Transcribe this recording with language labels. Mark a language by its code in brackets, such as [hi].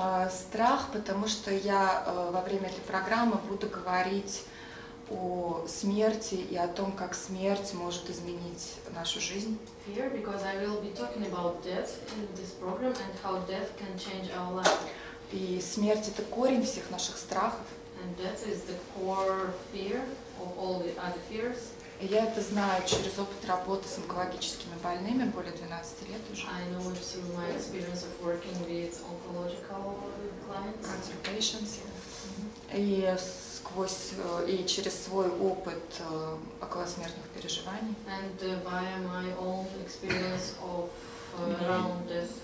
[ru] страх, потому что я во время этой программы буду говорить о смерти и о том, как смерть может изменить нашу жизнь. [en] Fear, because I will be talking about death in this program and how death can change our life. [ru] И смерть — это корень всех наших страхов. [en] And death is the core fear of all the other fears. [ru] И я это знаю через опыт работы с онкологическими больными более 12 лет уже. [en] I know it through my experience of working with oncological clients. Cancer patients, yeah. Mm-hmm. [ru] И через свой опыт околосмертных переживаний. [en] And via my own experience of around death,